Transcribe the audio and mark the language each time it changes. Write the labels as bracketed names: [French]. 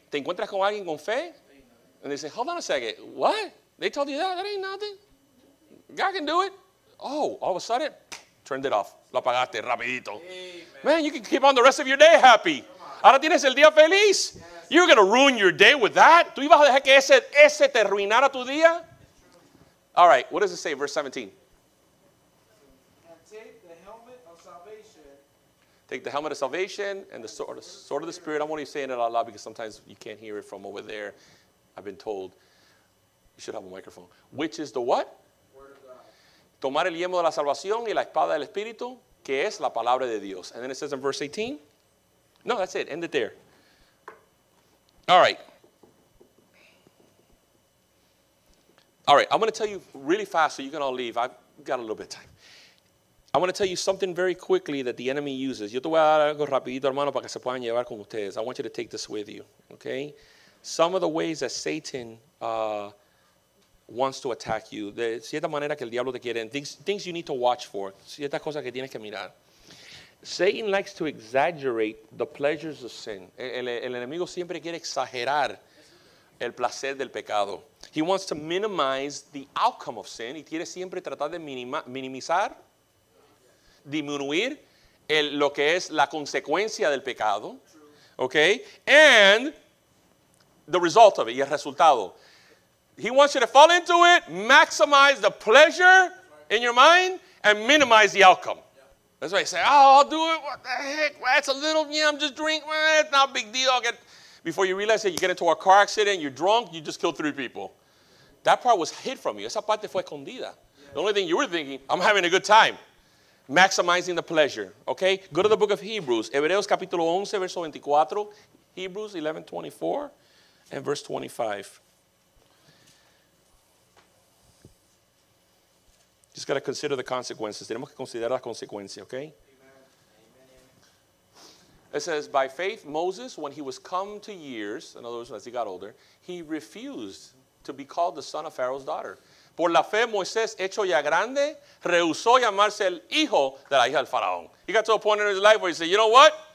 [Spanish] Te encuentras con alguien con fe. [English] And they say, hold on a second. What? They told you that? That ain't nothing. God can do it. Oh, all of a sudden, turned it off. [Spanish] Lo apagaste rapidito. Amen. [English] Man, you can keep on the rest of your day happy. [Spanish] Ahora tienes el día feliz. [English] Yes. You're going to ruin your day with that. [Spanish] ¿Tú ibas a dejar que ese te arruinara tu día? [English] All right, what does it say, verse 17? And take the helmet of salvation. Take the helmet of salvation and the sword of the Spirit. I'm only saying it out loud because sometimes you can't hear it from over there. I've been told you should have a microphone. Which is the what? [Spanish] Tomar el yelmo de la salvación y la espada del Espíritu, que es la palabra de Dios. [English] And then it says in verse 18. No, that's it. End it there. All right. I'm going to tell you really fast so you can all leave. I've got a little bit of time. I'm going to tell you something very quickly that the enemy uses. [Spanish] Yo te voy a dar algo rapidito, hermano, para que se puedan llevar con ustedes. [English] I want you to take this with you. Okay? Some of the ways that Satan wants to attack you. [Spanish] De cierta manera que el diablo te quiere. [English] Things you need to watch for. [Spanish] Ciertas cosas que tienes que mirar. [English] Satan likes to exaggerate the pleasures of sin. [Spanish] El enemigo siempre quiere exagerar el placer del pecado. [English] He wants to minimize the outcome of sin. [Spanish] Y quiere siempre tratar de minimizar, disminuir lo que es la consecuencia del pecado. [English] Okay? And the result of it, [Spanish] y el resultado. [English] He wants you to fall into it, maximize the pleasure in your mind, and minimize the outcome. Yeah. That's why you say, oh, I'll do it. What the heck? That's a little, yeah, I'm just drinking. It's not a big deal. Before you realize that you get into a car accident, you're drunk, you just killed three people. That part was hid from you. [Spanish] Esa parte fue escondida. [English] The only thing you were thinking, I'm having a good time. Maximizing the pleasure. Okay? Go to the book of Hebrews. [Spanish] Hebreos capítulo 11, verso 24. [English] Hebrews 11, 24. And verse 25. Just got to consider the consequences. [Spanish] Tenemos que considerar las consecuencias, [English] okay? Amen. Amen. It says, by faith, Moses, when he was come to years, in other words, as he got older, he refused to be called the son of Pharaoh's daughter. [Spanish] Por la fe, Moisés, hecho ya grande, rehusó llamarse el hijo de la hija del faraón. [English] He got to a point in his life where he said, you know what?